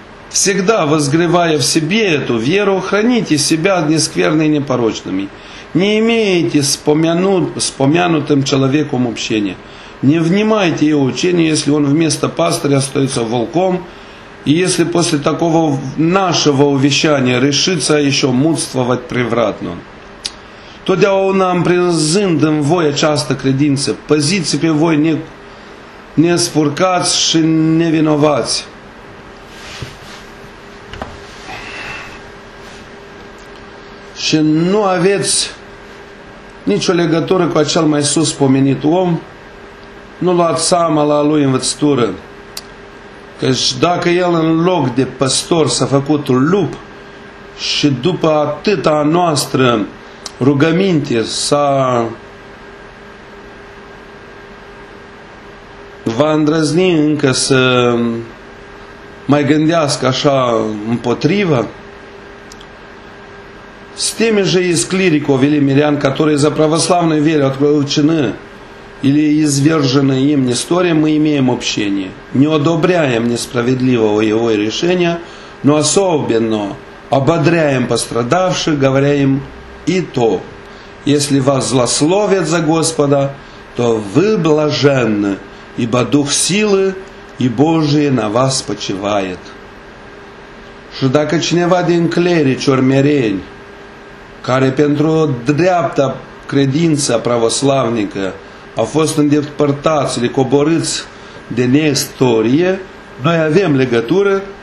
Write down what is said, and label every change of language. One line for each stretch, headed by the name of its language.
Russian: Всегда возгревая в себе эту веру, храните себя нескверно и непорочными. Не имейте спомянутым человеком общения. Не внимайте его учению, если он вместо пастыря остается волком, и если после такого нашего увещания решится еще мудствовать превратно.
Romanian: Тодеауна, împrinzând în voi această credință, păziți pe voi nespurcați și nevinovați. Și nu aveți nicio legătură cu acel mai sus pomenit om, nu luați seama la lui învățătură, căci dacă el în loc de păstor s-a făcut lup și după atâta noastră rugăminte s-a va îndrăzni încă să mai gândească așa împotrivă?
Russian: С теми же из клириков или мирян, которые за православную веру отключены или извержены им Нестория, мы имеем общение. Не одобряем несправедливого его решения, но особенно ободряем пострадавших, говоря им и то, если вас злословят за Господа, то вы блаженны, ибо Дух силы и Божие на вас почивает.
Romanian: Și dacă cineva din clerici ori mereni, care pentru dreapta credință pravoslavnică a fost îndepărtați
Russian: или
Romanian: coborâți de nestorie, noi avem legătură